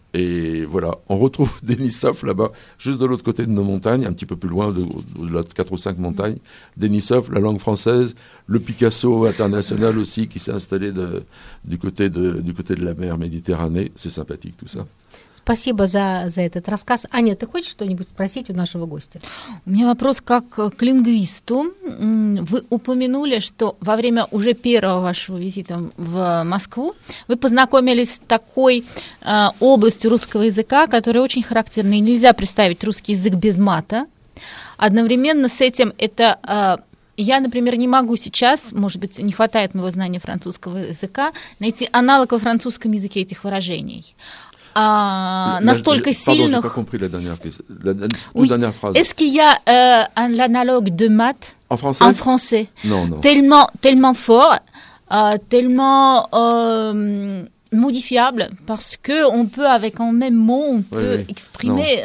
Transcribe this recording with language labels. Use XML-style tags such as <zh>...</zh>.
<fr>Et voilà, on retrouve Denisov là-bas, juste de l'autre côté de nos montagnes, un petit peu plus loin, de la 4 ou 5 montagnes. Denisov, la langue française, le Picasso international aussi, qui s'est installé du côté de la mer Méditerranée. C'est sympathique tout ça.</fr> <ru>Спасибо за этот рассказ. Аня, ты хочешь что-нибудь спросить у нашего гостя? У меня вопрос как к лингвисту. Вы упомянули, что во время уже первого вашего визита в Москву вы познакомились с такой областью русского языка, которая очень характерна, и нельзя представить русский язык без мата. Одновременно с этим это... Я, например, не могу сейчас, может быть, не хватает моего знания французского языка, найти аналог во французском языке этих выражений. настолько сильных...</ru> <fr>Pardon, j'ai pas compris la dernière question. Dernière phrase. Est-ce qu'il y a l'analogue de maths en français? En français. Non, non. Tellement, tellement fort, tellement modifiable, parce qu'on peut, avec un même mot, on peut exprimer...</fr>